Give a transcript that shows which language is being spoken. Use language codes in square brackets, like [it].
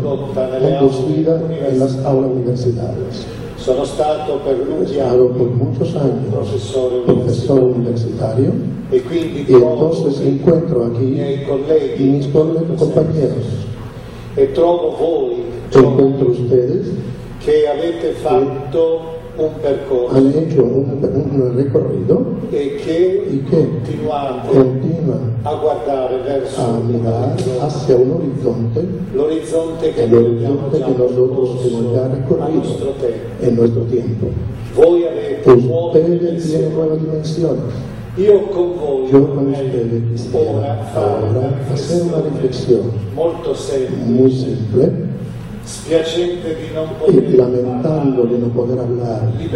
[es] conducida en las aulas universitarias. [it] Sono stato per lunghi [es] anni por muchos años profesor universitario y entonces encuentro aquí mis compañeros [it] e trovo voi, [es] encuentro ustedes [it] que avete fatto un percorso, [es] han hecho un recorrido y que continúa [it] a guardare verso [es] a mirar hacia un horizonte, [it] l'orizzonte [es] que nosotros hemos ya recorrido en nuestro tiempo. [it] Voi avete [es] ustedes tienen nuevas dimensiones. [it] Io con voi, [es] yo con ustedes quisiera ahora hacer una reflexión [it] molto semplice, [es] muy simple. [it] Spiacente di non poter e lamentando di non poter parlare